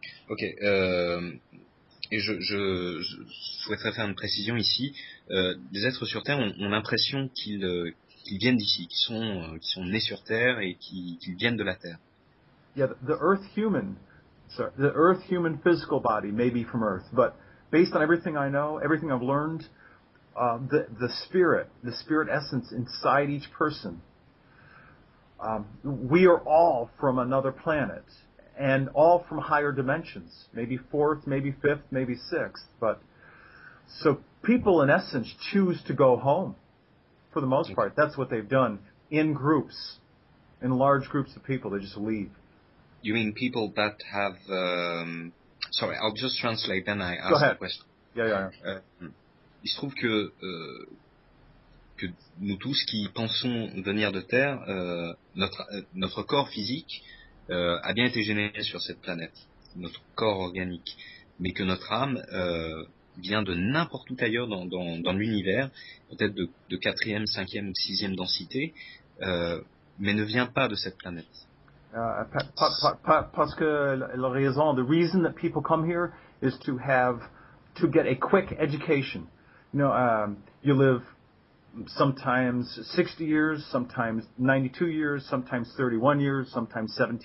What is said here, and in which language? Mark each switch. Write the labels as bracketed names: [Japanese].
[French] Ok, et je souhaiterais faire une précision ici. Les êtres sur Terre ont l'impression qu'ils viennent d'ici, qu'ils sont nés sur Terre et qu'ils viennent de la Terre. [English] Yeah, the Earth human physical body may be from Earth, but based on everything I know, everything I've learned, the spirit essence inside each person, we are all from another planet. And all from higher dimensions, maybe fourth, maybe fifth, maybe sixth. But so people, in essence, choose to go home for the most part. That's what they've done in groups, in large groups of people. They just leave. You mean people that have, sorry, I'll just translate, then I ask go ahead. The question. Yeah. [French] Il se trouve que nous tous qui pensons venir de Terre, notre corps physique, a bien été généré sur cette planète, notre corps organique, mais que notre âme vient de n'importe où ailleurs dans l'univers, peut-être de quatrième, cinquième ou sixième densité, mais ne vient pas de cette planète. Parce que la raison, [English] the reason that people come here is to have, to get a quick education. You know, you live sometimes 60 years, sometimes 92 years, sometimes 31 years, sometimes 17.